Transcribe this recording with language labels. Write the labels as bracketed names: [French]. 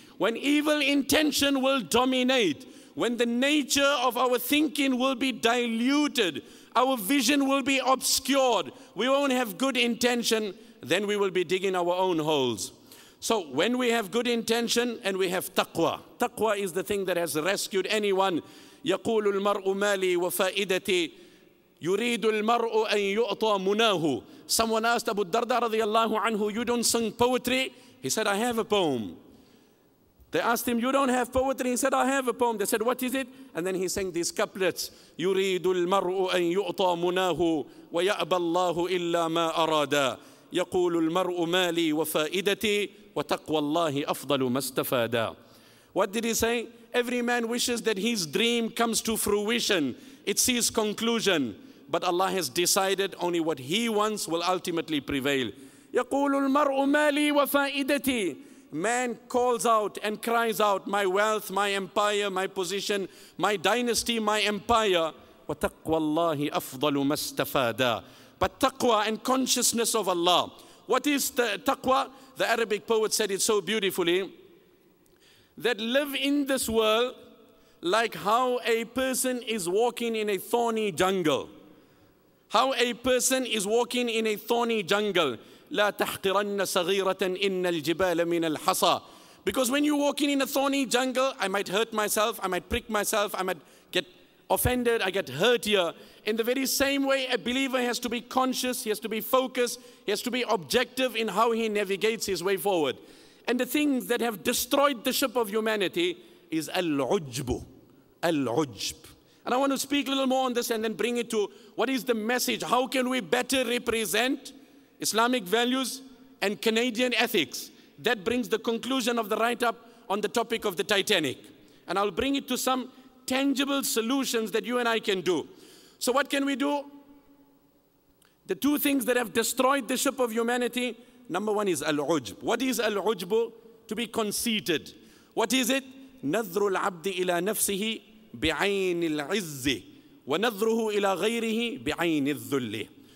[English] When evil intention will dominate, when the nature of our thinking will be diluted, our vision will be obscured, we won't have good intention, then we will be digging our own holes. So when we have good intention and we have taqwa, taqwa is the thing that has rescued anyone. [Arabic] يقول المرء مالي وفائدتي يريد المرء أن يؤطى مناه. [English] Someone asked Abu Darda رضي الله عنه, you don't sing poetry? He said, I have a poem. They asked him, you don't have poetry? He said, I have a poem. They said, what is it? And then he sang these couplets. [Arabic] يريد المرء أن يؤطى مناه ويأبى الله إلا ما أرادا. يقول المرء مالي وفائدتي وتقوى الله أفضل ما استفادا. [English] What did he say? Every man wishes that his dream comes to fruition. It sees conclusion. But Allah has decided only what he wants will ultimately prevail. [Arabic] يقول المرء مالي وفائدتي. [English] Man calls out and cries out, my wealth, my empire, my position, my dynasty, my empire. [Arabic] وتقوى الله أفضل ما استفادا. [English] But taqwa and consciousness of Allah. What is taqwa? The Arabic poet said it so beautifully, that live in this world like how a person is walking in a thorny jungle. How a person is walking in a thorny jungle. [Arabic] لا تحقرن صغيرة إن الجبال من الحصى. [English] Because when you're walking in a thorny jungle, I might hurt myself, I might prick myself, I might get offended, I get hurt here. In the very same way, a believer has to be conscious, he has to be focused, he has to be objective in how he navigates his way forward. And the things that have destroyed the ship of humanity is al-ujbu, al-ujb. And I want to speak a little more on this and then bring it to what is the message, how can we better represent Islamic values and Canadian ethics. That brings the conclusion of the write-up on the topic of the Titanic. And I'll bring it to some tangible solutions that you and I can do. So what can we do? The two things that have destroyed the ship of humanity, number one is al-ujb. What is al-ujb? To be conceited. What is it? [Arabic] نظر العبد إلى نفسه بعين العز ونظره إلى غيره بعين الذل.